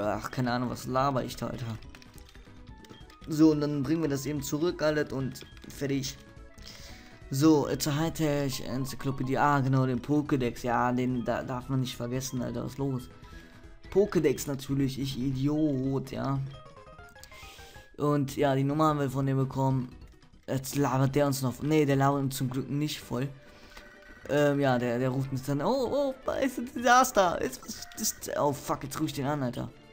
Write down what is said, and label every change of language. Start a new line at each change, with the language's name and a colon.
German: Keine Ahnung, was laber ich da, Alter. So, und dann bringen wir das eben zurück, alles und fertig.
English: So, it's a high-tech Encyclopedia.
German: Ah, genau, den Pokédex. Ja, den da darf man nicht vergessen, Alter. Was ist los? Pokédex natürlich, ich Idiot, ja. Und ja, die Nummer haben wir von dem bekommen. Jetzt labert der uns noch. Nee, der labert uns zum Glück nicht voll. Ja, der ruft uns dann, oh, ist ein Desaster, ist, oh fuck, jetzt ruf ich den an, Alter.